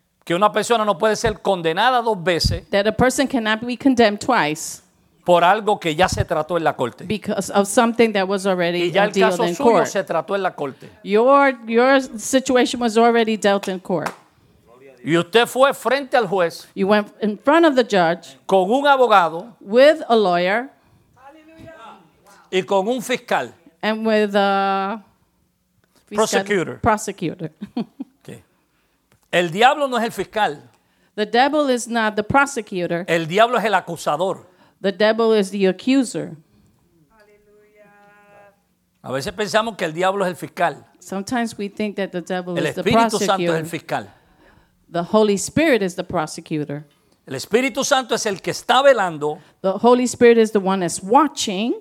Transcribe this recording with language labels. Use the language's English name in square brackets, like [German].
[Spanish] Que una persona no puede ser condenada dos veces. [English] That a person cannot be condemned twice. [Spanish] Por algo que ya se trató en la corte. [English] Because of something that was already dealt in court. [Spanish] Y ya el caso suyo se trató en la corte. [English] Your situation was already dealt in court. [Spanish] Y usted fue frente al juez. [English] You went in front of the judge. [Spanish] Con un abogado. [English] With a lawyer. [Spanish] Y con un fiscal. [English] And with a fiscal, prosecutor. Prosecutor. [Spanish] Okay. El diablo no es el fiscal. [English] The devil is not the prosecutor. [Spanish] El diablo es el acusador. [English] The devil is the accuser. [Spanish] Aleluya. A veces pensamos que el diablo es el fiscal. [English] Sometimes we think that the devil [Spanish] el [English] is the prosecutor. [Spanish] El Espíritu Santo es el fiscal. [English] The Holy Spirit is the prosecutor. [Spanish] El Espíritu Santo es el que está velando. [English] The Holy Spirit is the one that's watching.